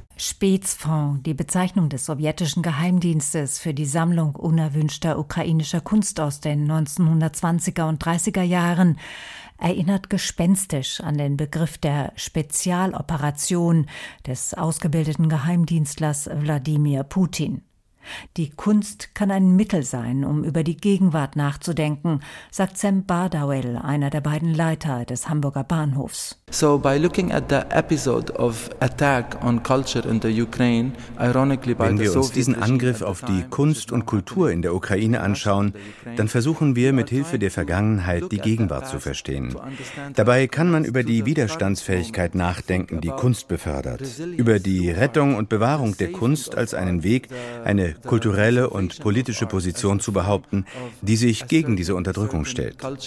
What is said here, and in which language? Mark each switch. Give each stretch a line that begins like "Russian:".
German: Spätzfond, die Bezeichnung des sowjetischen Geheimdienstes für die Sammlung unerwünschter ukrainischer Kunst aus den 1920er und 30er Jahren, erinnert gespenstisch an den Begriff der Spezialoperation des ausgebildeten Geheimdienstlers Wladimir Putin. Die Kunst kann ein Mittel sein, um über die Gegenwart nachzudenken, sagt Sam Bardawell, einer der beiden Leiter des Hamburger Bahnhofs.
English: So by looking at the episode of attack on culture in the Ukraine, ironically by the Soviet.
German: Wenn wir uns diesen Angriff auf die Kunst und Kultur in der Ukraine anschauen, dann versuchen wir mit Hilfe der Vergangenheit die Gegenwart zu verstehen. Dabei kann man über die Widerstandsfähigkeit nachdenken, die Kunst befördert, über die Rettung und Bewahrung der Kunst als einen Weg, eine kulturelle und politische Position zu behaupten, die sich gegen diese Unterdrückung stellt.